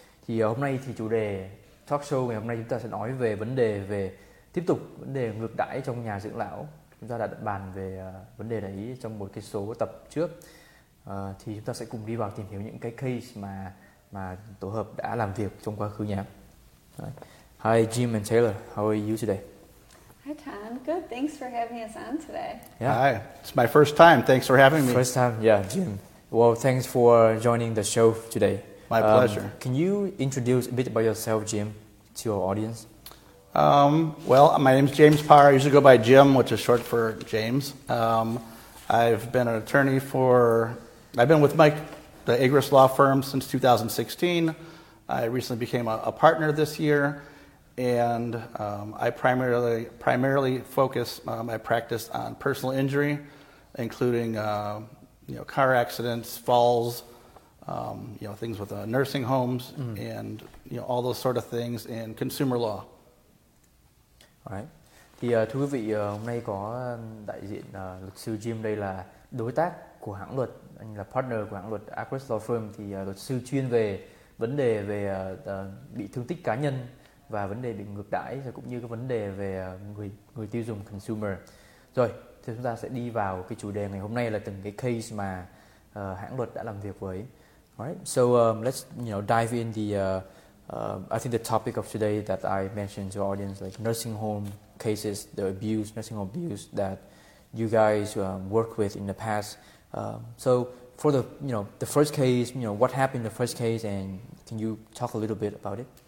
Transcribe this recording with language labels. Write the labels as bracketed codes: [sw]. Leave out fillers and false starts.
[vi] Thì hôm nay thì chủ đề talk show ngày hôm nay chúng ta sẽ nói về vấn đề về tiếp tục vấn đề ngược đãi trong nhà dưỡng lão. Chúng ta đã bàn về vấn đề đấy trong một cái số tập trước. Thì chúng ta sẽ cùng đi vào tìm hiểu những cái case mà tổ hợp đã làm việc trong quá khứ nhé. [en] Hi Jim and Taylor, how are you today? Hi Tom, good. Thanks for having us on today. Yeah. Hi, it's my first time. Thanks for having me. First time, yeah, Jim. Well, thanks for joining the show today. My pleasure. Can you introduce a bit about yourself, Jim, to our audience? Well, my name's James Parr. I usually go by Jim, which is short for James. I've been an attorney I've been with Mike, the Agrus Law Firm, since 2016. I recently became a partner this year, and I primarily focus my practice on personal injury, including car accidents, falls, things with nursing homes, and all those sort of things, and consumer law. All right. [vi] Thì thưa quý vị, hôm nay có đại diện luật sư Jim đây là đối tác của hãng luật, anh là partner của hãng luật Agrus Law Firm. Thì luật sư chuyên về vấn đề về bị thương tích cá nhân và vấn đề bị ngược đãi, rồi cũng như cái vấn đề về người tiêu dùng, consumer. Rồi, thì chúng ta sẽ đi vào cái chủ đề ngày hôm nay là từng cái case mà hãng luật đã làm việc với. [en] Alright, so let's dive in the I think the topic of today that I mentioned to audience, like nursing home cases, the abuse, nursing home abuse that you guys work with in the past. So for the the first case, what happened in the first case, and can you talk a little bit about it?